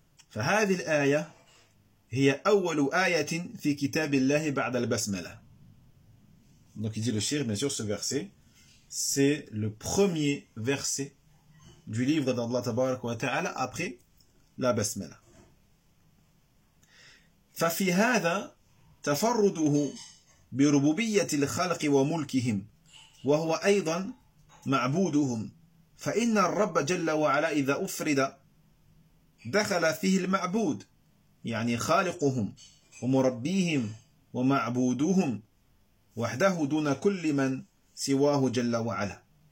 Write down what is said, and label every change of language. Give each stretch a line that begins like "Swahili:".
Arabic: فهذه الآية هي أول آية في كتاب الله بعد البسملة.
French: Donc il dit le shir, bien sûr, ce verset, c'est le premier verset du livre d'Allah Tabarak wa Ta'ala après la basmala.
Arabic: ففي هذا تفرده بربوبية الخلق وملكهم، وهو أيضا معبودهم، فإن الرب جل وعلا إذا أفرد دخل فيه المعبود، يعني خالقهم ومربيهم ومعبودهم وحده دون كل من سواه جل وعلا.